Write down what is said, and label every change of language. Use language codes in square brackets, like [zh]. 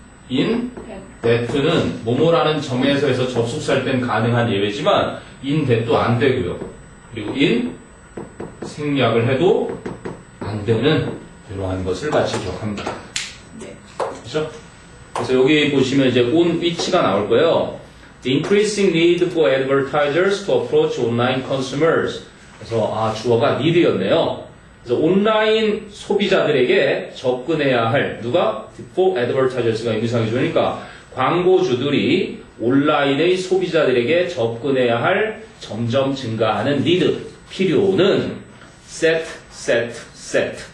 [ko] in, that는 뭐뭐라는 점에서 접속사일 땐 가능한 예외지만 in, that도 안 되고요. 그리고 in, 생략을 해도 안 되는 이러한 것을 같이 기억합니다. 그렇죠? 그래서 여기 보시면 이제 on, which가 나올 거예요. [en] The increasing need for advertisers to approach online consumers. [ko] 그래서 아 주어가 need였네요. 그래서 온라인 소비자들에게 접근해야 할 누가? [en] For advertisers [ko] 가 의미상이 좋으니까 광고주들이 온라인의 소비자들에게 접근해야 할 점점 증가하는 need, 필요는 set, set, set.